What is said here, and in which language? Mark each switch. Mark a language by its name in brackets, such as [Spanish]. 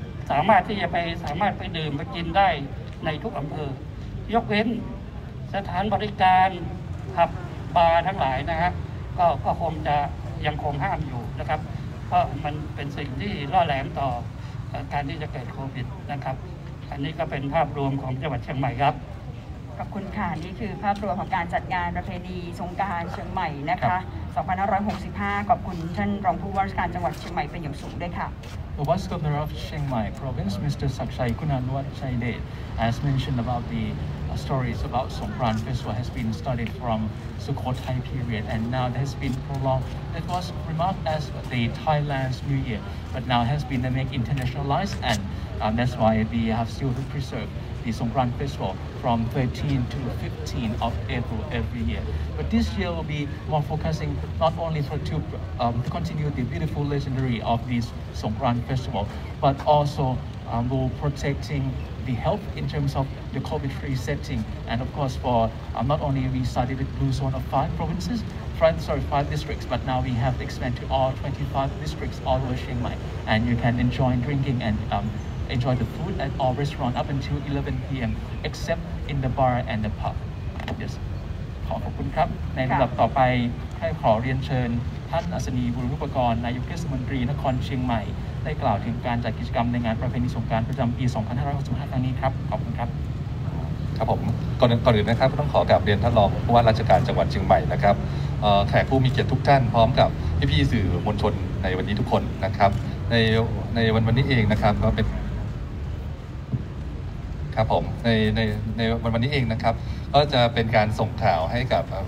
[Thai] สามารถที่จะไปสามารถไปดื่มไปกินได้ในทุกอำเภอยกเว้นสถานบริการผับบาร์ทั้งหลายนะครับก็คงจะยังคงห้ามอยู่นะครับเพราะมันเป็นสิ่งที่ล่อแหลมต่อการที่จะเกิดโควิดนะครับอันนี้ก็เป็นภาพรวมของจังหวัดเชียงใหม่ครับ ขอบคุณค่ะนี่คือภาพรวมของการจัดงานประเพณีสงกรานต์เชียงใหม่นะคะ2565ขอบคุณท่านรองผู้ว่าราชการจังหวัดเชียงใหม่เป็นอย่างสูงด้วยค่ะ [English] The Vice Governor of Chiang Mai Province Mr. Sakshay Kunanwat Chaidet has mentioned about thestories about Songkran festival has been studied from Sukhothai period and now has been prolonged. It was remarked as the Thailand's New Year, but now has been make internationalized and that's why we have still to preserve the Songkran festival from 13 to 15 of April every year. But this year will be more focusing not only for to continue the beautiful legendary of this Songkran festival, but also will protectingthe health in terms of the COVID-free setting. And of course, for not only we started with Blue Zone of five districts, but now we have expanded to all 25 districts all over Chiang Mai. And you can enjoy drinking and enjoy the food at all restaurants up until 11 p.m., except in the bar and the pub. Yes. [Thai] ขอบคุณครับ ในระดับต่อไปให้ขอเรียนเชิญท่านอัศนีบุรุษปกรณ์นายกเทศมนตรีนครเชียงใหม่ได้กล่าวถึงการจัดกิจกรรมในงานประเพณีสงกรานต์ประจำปี2565ครั้งนี้ครับขอบคุณครับ ครับผมก่อนอื่นนะครับก็ต้องขอกราบเรียนท่านรองผู้ว่าราชการจังหวัดเชียงใหม่นะครับแขกผู้มีเกียรติทุกท่านพร้อมกับพี่ๆสื่อมวลชนในวันนี้ทุกคนนะครับในวันนี้เองนะครับก็เป็นครับผมในวันนี้เองนะครับก็จะเป็นการส่งข่าวให้กับ